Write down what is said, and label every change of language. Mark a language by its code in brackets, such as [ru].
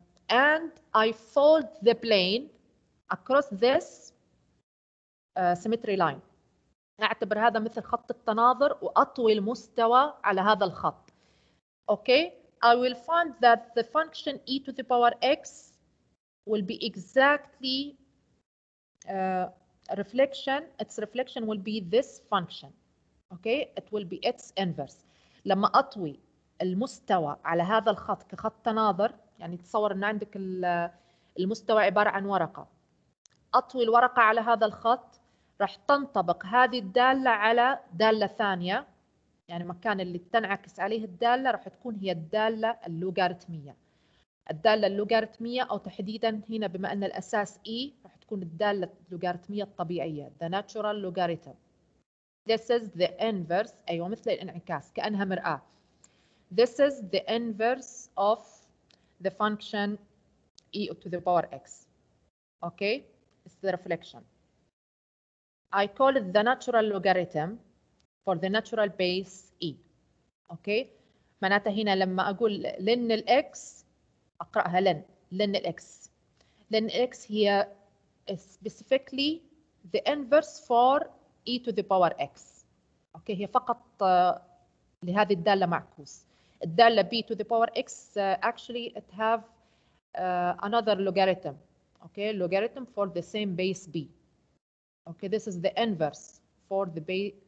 [en] and I fold the plane across this symmetry line [ar] أعتبر هذا مثل خط التناظر وأطوي المستوى على هذا الخط [en] okay I will find that the function e to the power x will be exactly reflection, its reflection will be this function. Okay, it will be its inverse. [ar] لما أطوي المستوى على هذا الخط كخط تناظر, يعني تصور أن عندك المستوى عبارة عن ورقة. أطوي الورقة على هذا الخط, راح تنطبق هذه الدالة على دالة ثانية, يعني مكان اللي تنعكس عليه الدالة راح تكون هي الدالة اللوغاريتمية. الدالة اللوغاريتمية أو تحديداً هنا بما أن الأساس E راح تكون الدالة اللوغاريتمية الطبيعية [en] the natural logarithm. This is the inverse [ar] أيوة مثل الانعكاس كأنها مرآة. [en] This is the inverse of the function E to the power X. Okay, it's the reflection. I call it the natural logarithm for the natural base E. Okay, [ar] معناتها هنا لما أقول [en] ln X [ar] أقرأها [en] ln ln x ln x هي specifically the inverse for e to the power x okay [ar] هي فقط لهذه الدالة معكوس الدالة [en] b to the power x actually it have another logarithm okay logarithm for the same base b okay this is the inverse for the base